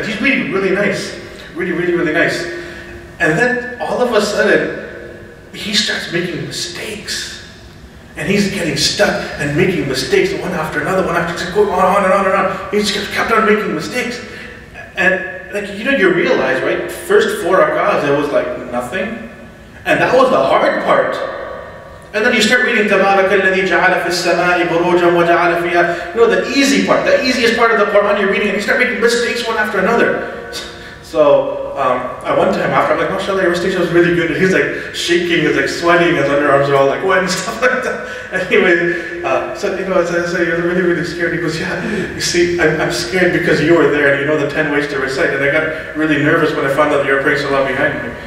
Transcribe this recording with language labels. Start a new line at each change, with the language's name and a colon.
English: And he's reading really nice. Really, really, really nice. And then, all of a sudden, he starts making mistakes. And he's getting stuck and making mistakes, one after another, going on and on and on. He just kept on making mistakes. And like, you know, you realize, right? First four rak'ahs, it was like nothing. And that was the hard part. And then you start reading,
Arabic: تَبَارَكَ الَّذِي جَعَلَ فِي السَّمَاءِ بُرُوجًا وَجَعَلَ فِيهَا.
English: You know, the easy part, the easiest part of the Quran you're reading, and you start making mistakes one after another. So, I went to him after, I'm like, mashallah, your recitation was really good. And he's like shaking, he's like sweating, his underarms are all like wet and stuff like that. Anyway, so, you know, as I say, you're really, really scared. He goes, yeah, you see, I'm scared because you were there and you know the 10 ways to recite. And I got really nervous when I found out that you were praying Salah behind me.